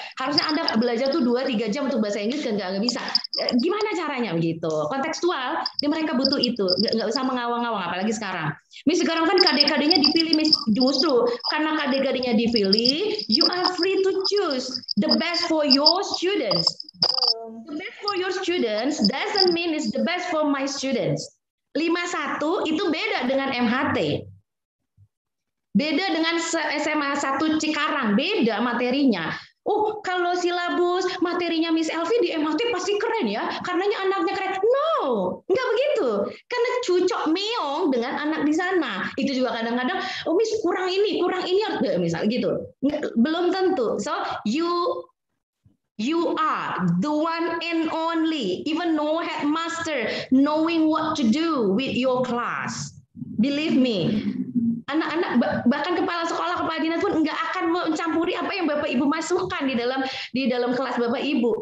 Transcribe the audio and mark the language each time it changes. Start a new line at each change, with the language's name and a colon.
Indonesian: Harusnya Anda belajar tuh 2-3 jam untuk bahasa Inggris, kan nggak bisa. Gimana caranya begitu? Kontekstual, ini mereka butuh itu. Nggak usah mengawang-awang, apalagi sekarang. Miss, sekarang kan KD-KD-nya dipilih, Miss, justru. Karena KD-KD-nya dipilih,
English: you are free to choose the best for your students. The best for your students doesn't mean it's the best for my students.
Indonesian: 51 itu beda dengan MHT. Beda dengan SMA 1 Cikarang, beda materinya. Kalau silabus materinya Miss Elvi di MHT pasti keren ya, karenanya anaknya keren. No, enggak begitu. Karena cucok meong dengan anak di sana. Itu juga kadang-kadang, "Oh, Miss, kurang ini," misal gitu. Belum tentu.
English: So, you are the one and only, even no headmaster knowing what to do with your class. Believe me,
Indonesian: anak-anak, bahkan kepala dinas pun nggak akan mencampuri apa yang Bapak Ibu masukkan di dalam kelas Bapak Ibu.